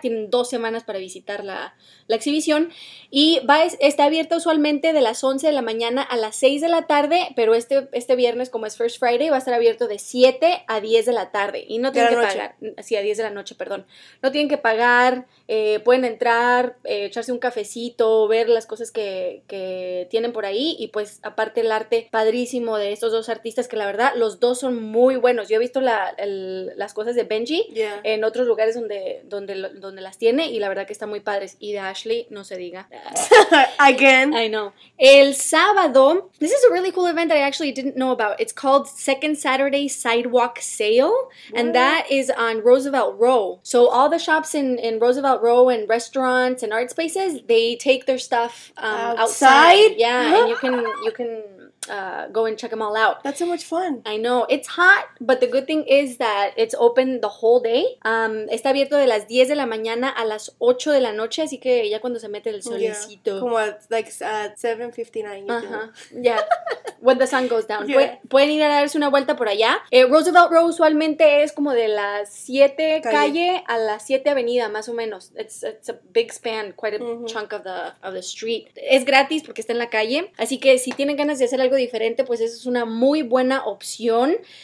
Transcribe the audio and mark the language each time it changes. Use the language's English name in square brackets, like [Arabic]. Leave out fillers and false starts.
[Spanish] Tienen 2 semanas para visitar la exhibición, y está abierta usualmente de las 11 de la mañana a las 6 de la tarde, pero este viernes, como es First Friday, va a estar abierto de 7 a 10 de la tarde, y no tienen que pagar, sí, a 10 de la noche, perdón, no tienen que pagar, pueden entrar, echarse un cafecito, ver las cosas que tienen por ahí, y pues aparte el arte padrísimo de estos dos artistas, que la verdad, los dos son muy buenos. Yo he visto las cosas de Benji en otros lugares donde las tiene, y la verdad que están muy padres, y de Ashley, no se diga. [English] Again. I know. [Spanish] El sábado, [English] this is a really cool event that I actually didn't know about, it's called Second second Saturday sidewalk sale. What? And that is on Roosevelt Row. So all the shops in Roosevelt Row and restaurants and art spaces, they take their stuff outside. Yeah, and you can go and check them all out. That's so much fun. I know. It's hot, but the good thing is that it's open the whole day. [Spanish] Está abierto de las 10 de la mañana a las 8 de la noche, así que ya cuando se mete el solecito. [English] Yeah. Como at 7:59. Yeah. When the sun goes down. Yeah. [Spanish] Pueden ir a darse una vuelta por allá. Roosevelt Row usualmente es como de las 7 calle a las 7 avenida, más o menos. [English] It's a big span, quite a chunk of the street. [Spanish] Es gratis porque está en la calle, así que si tienen ganas de hacer algo diferente, pues esa es una muy buena opción.